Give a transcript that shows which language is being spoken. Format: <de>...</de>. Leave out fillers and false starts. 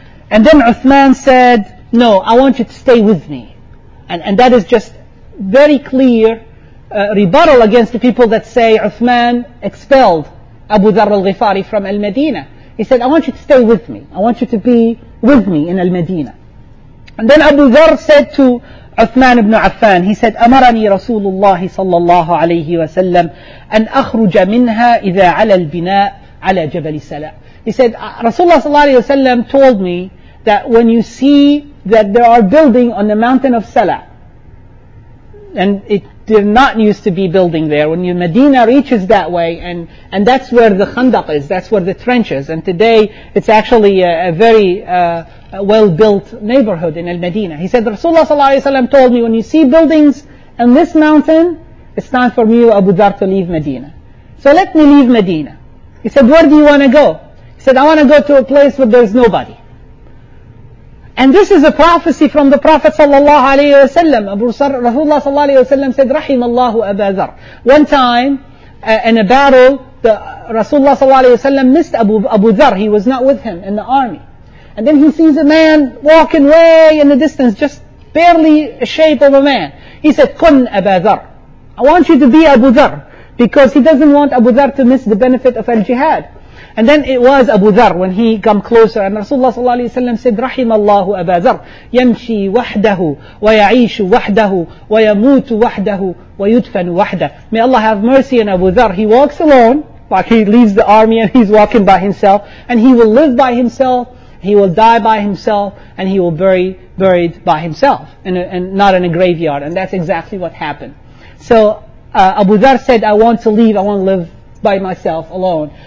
<en>And then Uthman said, no, I want you to stay with me. And that is just very clear rebuttal against the people that say Uthman expelled Abu Dharr al-Ghifari from al-Madinah. He said, I want you to stay with me. I want you to be with me in al-Madinah. And then Abu Dharr said to Uthman ibn Affan, he said,</en> <ar>أمرني رسول الله صلى الله عليه وسلم أن أخرج منها إذا على البناء على جبل سلاء.</ar> <en>He said, Rasulullah صلى الله عليه وسلم told me that when you see that there are building on the mountain of Sala, and it did not used to be building there, when your Medina reaches that way, and that's where the Khandaq is, that's where the trench is, and today it's actually a very well-built neighborhood in al-Medina. He said, Rasulullah صلى الله عليه وسلم told me, when you see buildings on this mountain, it's time for me, Abu Dharr, to leave Medina. So let me leave Medina. He said, where do you want to go? He said, I want to go to a place where there's nobody. And this is a prophecy from the Prophet sallallahu alayhi wa sallam. Rasulullah sallallahu alayhi wa sallam said, Rahimallahu Abu Dharr. One time, in a battle, the Rasulullah sallallahu alayhi wa sallam missed Abu Dharr. He was not with him in the army. And then he sees a man walking way in the distance, just barely a shape of a man. He said, Kun Abu Dharr. I want you to be Abu Dharr. Because he doesn't want Abu Dharr to miss the benefit of al-jihad. And then it was Abu Dharr when he come closer, and Rasulullah</en> <ar>صلى الله عليه وسلم said, رحم الله أبا ذر يمشي وحده ويعيش وحده ويموت وحده ويدفن وحده.</ar> <en>May Allah have mercy on Abu Dharr. He walks alone, like he leaves the army and he's walking by himself, and he will live by himself, he will die by himself, and he will buried by himself, and not in a graveyard. And that's exactly what happened. So Abu Dharr said, I want to leave, I want to live by myself alone.</en>